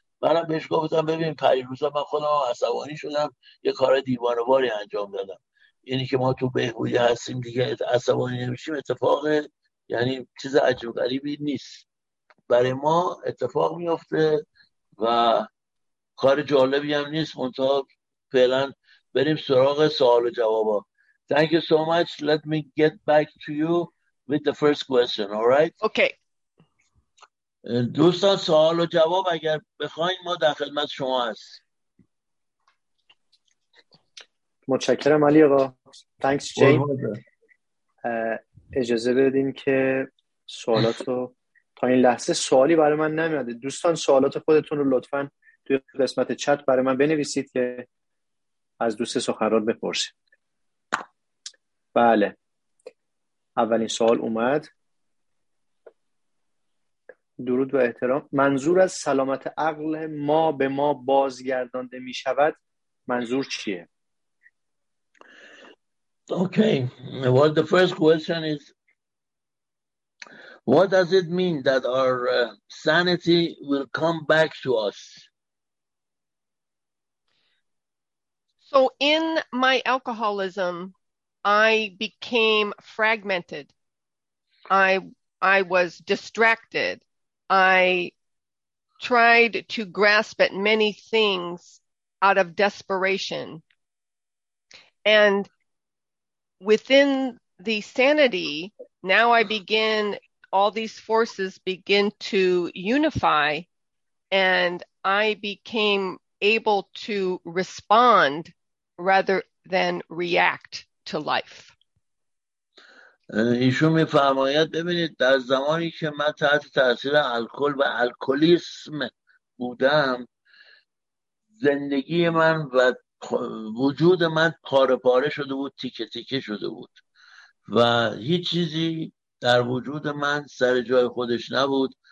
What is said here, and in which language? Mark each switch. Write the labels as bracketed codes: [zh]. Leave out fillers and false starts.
[fa] منم بهش گفتم ببین پریروزا من خودم عصبانی شدم، یه کار دیوانواری انجام دادم. اینی که ما تو بهبودی هستیم دیگه عصبانی نمیشیم اتفاق یعنی چیز عجب غریبی نیست، برای ما اتفاق میفته و کار جالبی هم نیست. منتها فعلا بریم سراغ سوال و جوابا. [en] Thank you so much. Let me get back to you with the first question. All right. Okay. [fa] دوستان سوال و جواب اگر بخواین ما در خدمت شما هست. متشکرم علی آقا. [en] Thanks Jane. [fa] اجازه بدین که سوالات رو تا این لحظه سوالی برای من نمیاده. دوستان سوالات خودتون رو لطفاً توی قسمت چت برای من بنویسید که از دوست سخنران بپرسید. بله. اولین سوال اومد. درود و احترام. منظور از سلامت عقل ما به ما بازگردانده می شود منظور چیه؟ [en] Okay, well, the first question is, what does it mean that our sanity will come back to us? So in my alcoholism, I became fragmented. I was distracted. I tried to grasp at many things out of desperation. And within the sanity, now I begin, all these forces begin to unify, and I became able to respond rather than react to life. [fa] ایشون میفرماید ببینید در زمانی که من تحت تاثیر الکل و الکلیسم بودم زندگی من و وجود من پاره پاره شده بود، تیکه تیکه شده بود و هیچ چیزی در وجود من سر جای خودش نبود.